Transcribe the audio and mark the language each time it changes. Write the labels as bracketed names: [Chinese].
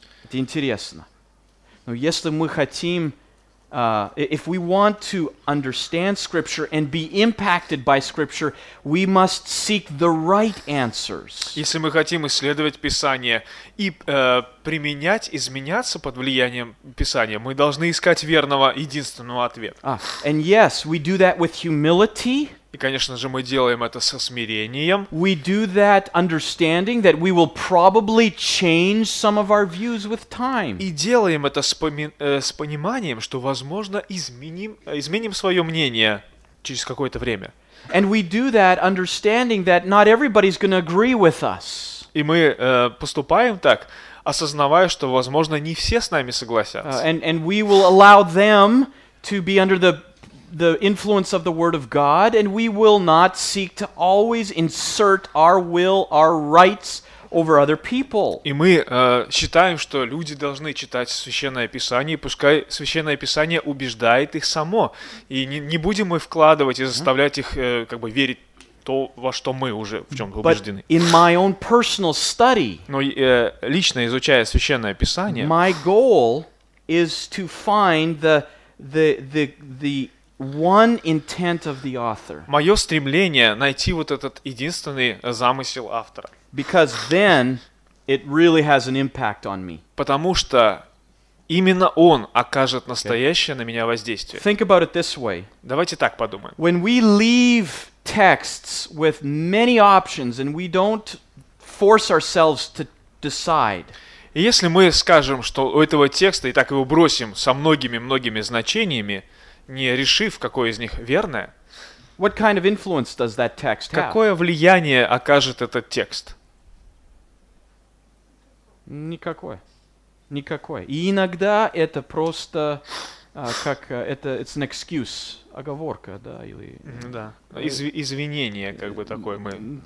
[Russian] Это интересно. Но если мы хотим, [English] if we want to understand Scripture and be impacted by Scripture, we must seek the right answers. [Russian] Если мы хотим исследовать Писание и применять, изменяться под влиянием Писания, мы должны искать верного, единственного ответа. [English] And yes, we do that with humility. [Russian] И, конечно же, мы делаем это со смирением. [English] We do that understanding that we will probably change some of our views with time. [Russian] И делаем это с пониманием, что, возможно, изменим свое мнение через какое-то время. [English] And we do that understanding that not everybody's going to agree with us. [Russian] И мы поступаем так, осознавая, что, возможно, не все с нами согласятся. [English] And we will allow them to be under the influence of the Word of God, and we will not seek to always insert our will, our rights over other people. [Russian] И мы считаем, что люди должны читать Священное Писание, и пускай Священное Писание убеждает их само, и не будем мы вкладывать и заставлять их как бы верить то, во что мы уже в чем-то убеждены. [English] But in my own personal study, [Russian] но лично изучая Священное Писание, [English] my goal is to find the one intent of the author. [Russian] Моё стремление найти вот этот единственный замысел автора. [English] Because then it really has an impact on me. [Russian] Потому что именно он окажет настоящее на меня воздействие. [English] Think about it this way. [Russian] Давайте так подумаем. [English] When we leave texts with many options and we don't force ourselves to decide. [Russian] И если мы скажем, что у этого текста и так его бросим со многими-многими значениями, не решив, какое из них верное, [English] what kind of influence does that text have? [Russian] Какое влияние окажет этот текст? Никакое. Никакое. И иногда это просто как это [English] it's an excuse, [Russian] оговорка, да, или... Да, извинение как бы такое мы